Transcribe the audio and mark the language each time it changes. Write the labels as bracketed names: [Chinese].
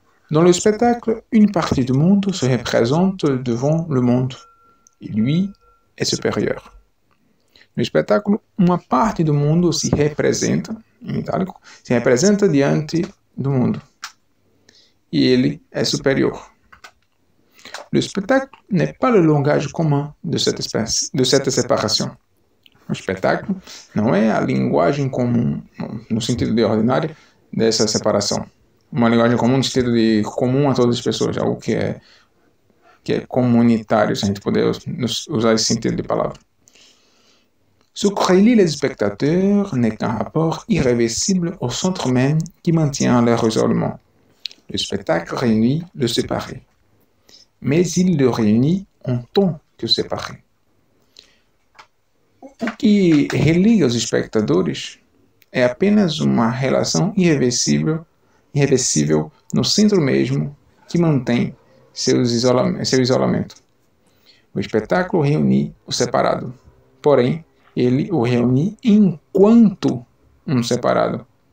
[French] Dans le spectacle, une partie du monde se représente devant le monde, e lui est supérieur. [Portuguese] No espetáculo, uma parte do mundo se representa, em itálico, se representa diante do mundo. E ele é superior. [French] Le spectacle n'est pas le langage commun de cette séparation. [Portuguese] O espetáculo não é a linguagem comum, no sentido de ordinário, dessa separação. Uma linguagem comum no sentido de comum a todas as pessoas, algo que é comunitário, se a gente puder usar esse sentido de palavra. [French] Ce qui relie les spectateurs n'est qu'un rapport irréversible au centre même qui maintient leur isolement. Le spectacle réunit le séparé, mais il le réunit en tant que séparé. [Portuguese] O que relie os espectadores é apenas uma relação irreversível no centro mesmo que mantém seu isolamento. O espetáculo reunit o separado, porém, ele o reunit enquanto um separado.